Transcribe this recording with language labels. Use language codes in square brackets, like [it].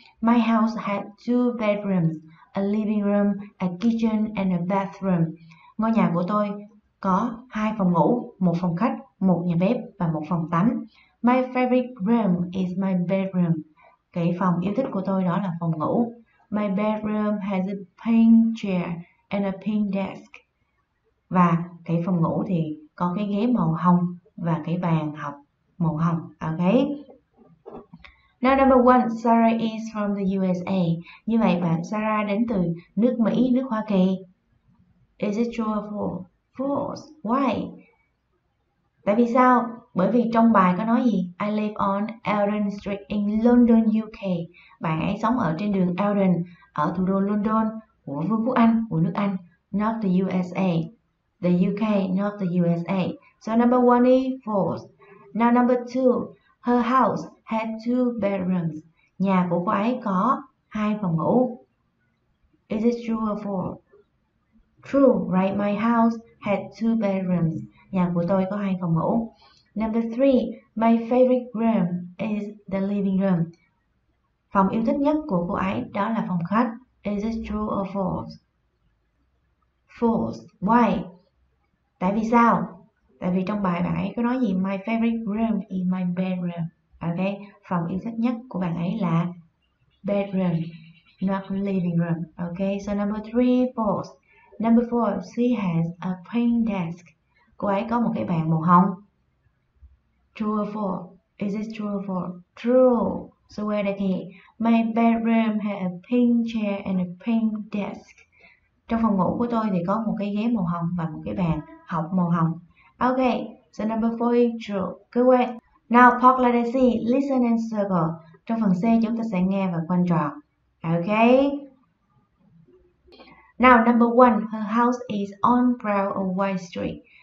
[en] My house has two bedrooms, a living room, a kitchen and a bathroom. [vi] Ngôi nhà của tôi có hai phòng ngủ, một phòng khách, một nhà bếp và một phòng tắm. [en] My favorite room is my bedroom. [vi] Cái phòng yêu thích của tôi đó là phòng ngủ. [en] My bedroom has a pink chair and a pink desk. [vi] Và cái phòng ngủ thì có cái ghế màu hồng và cái bàn học màu hồng. [en] Okay. Now number one, Sarah is from the USA. [vi] Như vậy bạn Sarah đến từ nước Mỹ, nước Hoa Kỳ. [en] Is it true or false? False. Why? [vi] Tại vì sao? Bởi vì trong bài có nói gì? [en] I live on Eldon Street in London, UK. [vi] Bạn ấy sống ở trên đường Eldon, ở thủ đô London của Vương quốc Anh, của nước Anh, [en] not the USA. The UK, not the USA. So number one is false. Now number two, her house had two bedrooms. [vi] Nhà của cô ấy có hai phòng ngủ. [en] Is it true or false? True, right? My house had two bedrooms. [vi] Nhà của tôi có hai phòng ngủ. [en] Number three, my favorite room is the living room. [vi] Phòng yêu thích nhất của cô ấy đó là phòng khách. [en] Is it true or false? False. Why? [vi] Tại vì sao? Tại vì trong bài bạn ấy có nói gì? [en] My favorite room is my bedroom. [vi] Okay, phòng yêu thích nhất của bạn ấy là bedroom, [en] not living room. Okay, so number three, false. Number four, she has a pink desk. [vi] Cô ấy có một cái bàn màu hồng. [en] True or false? Is it true or false? True. So where did he? My bedroom has a pink chair and a pink desk. [vi] Trong phòng ngủ của tôi thì có một cái ghế màu hồng và một cái bàn học màu hồng. [en] Okay, so number four is true. Good way. Now, park let us see. Listen and circle. [vi] Trong phần C, chúng ta sẽ nghe và quan trọng. Okay? [en] Now, number one, her house is on Brown or White Street.